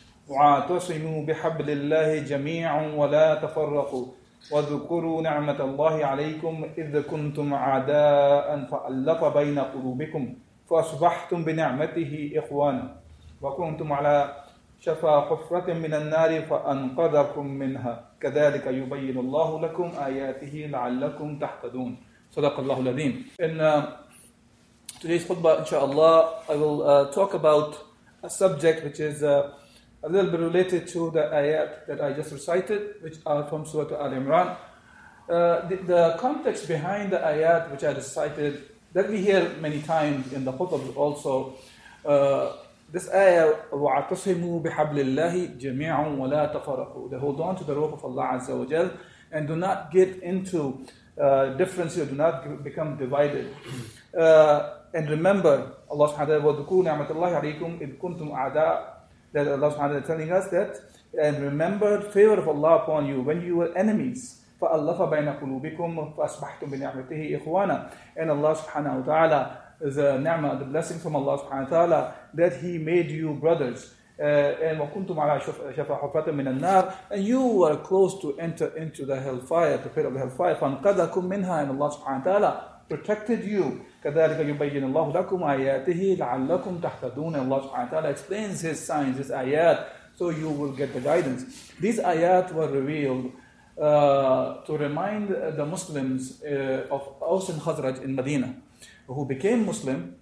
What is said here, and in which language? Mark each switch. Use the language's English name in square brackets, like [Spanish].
[Arabic] واعتصموا بحبل الله جميعا ولا تفرقوا واذكروا نعمة الله عليكم إذ كنتم أعداء فألف بين قلوبكم فأصبحتم بنعمته إخوانا وكنتم على شفا حفرة من النار فأنقذكم منها كذلك يبين الله لكم آياته لعلكم تهتدون صدق الله العظيم. [English] In today's khutbah, inshallah, I will talk about a subject which is a little bit related to the ayat that I just recited, which are from Surah Al Imran. The context behind the ayat which I recited, that we hear many times in the khutbah also, this ayah, [Arabic] وَعَتَصِمُوا بِحَبْلِ اللَّهِ جَمِيعًا وَلَا تَفَرَقُوا. [English] They hold on to the rope of Allah Azza wa Jal and do not get into differences, do not become divided. And remember, Allah subhanahu wa ta'ala, [Arabic] وَذُكُرُوا نِعْمَةَ اللَّهِ عَلَيْكُمْ إِذْ كُنْتُمْ أَعْدَاءً. [English] That Allah subhanahu wa ta'ala is telling us that, and remember the favor of Allah upon you when you were enemies. [Arabic] فَأَلَّفَ بَيْنَ قُلُوبِكُمْ فَأَصْبَحْتُمْ بِنِعْمَتِهِ إِخْوَانًا. [English] And Allah subhanahu wa ta'ala, the ni'mah, the blessing from Allah subhanahu wa ta'ala, that He made you brothers. [Arabic] And وَكُنْتُمْ عَلَى شَفَى حُفْرَةٍ مِنَ النَّارِ. [English] And you were close to enter into the hellfire, the pit of the hellfire. [Arabic] فَانْقَذَكُمْ مِنْهَا. [English] And Allah subhanahu wa ta'ala protected you. [Arabic] كَذَلِكَ يُبَيِّنُ اللَّهُ لَكُمْ آيَاتِهِ لَعَلَّكُمْ تَحْتَدُونَ. [English] And Allah subhanahu wa ta'ala explains His signs, His ayat, so you will get the guidance. These ayat were revealed to remind the Muslims of Aus and Khazraj in Medina, who became Muslim.